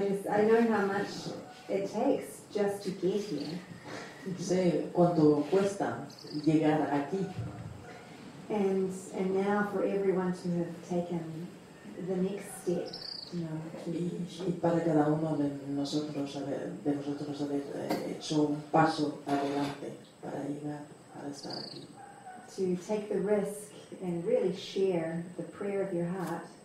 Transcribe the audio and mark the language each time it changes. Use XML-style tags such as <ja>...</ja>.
<en>I know how much it takes just to get here.</en> <es>Sé cuánto cuesta llegar aquí.</es> <en>And now for everyone to have taken the next step, you know.</en> <es>Y para cada uno de nosotros haber hecho un paso adelante para llegar a estar aquí.</es> <en>To take the risk and really share the prayer of your heart.</en>